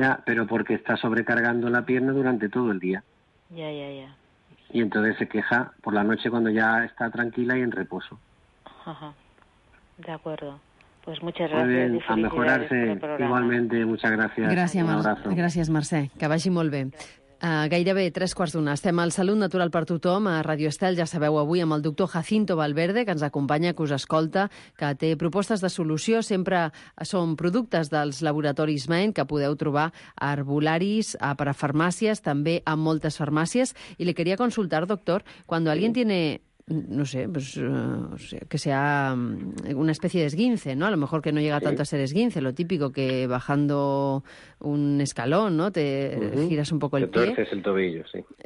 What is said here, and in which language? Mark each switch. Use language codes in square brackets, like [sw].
[es] Ya, pero porque está sobrecargando la pierna durante todo el día. Ya. Y entonces se queja por la noche cuando ya está tranquila y en reposo. Ajá, de acuerdo. Pues muchas gracias. Muy bien, a mejorarse igualmente. Muchas gracias. Gracias, un abrazo. Gracias, [ca] Mercè. Que vagi molt bé. Gracias. Gairebé tres quarts d'una. Estem al Salut Natural per Tothom, a Ràdio Estel, ja sabeu, avui amb el doctor Jacinto Valverde, que ens acompanya, que us escolta, que té propostes de solució. Sempre són productes dels laboratoris Maen, que podeu trobar a herbolaris, a parafarmàcies, també a moltes farmàcies. I li [es] quería consultar, doctor, cuando alguien tiene... No sé, pues, o sea, que sea una especie de esguince, ¿no? A lo mejor que no llega tanto a ser esguince, lo típico que bajando un escalón, ¿no? Te giras un poco el pie. Te torces el tobillo, sí.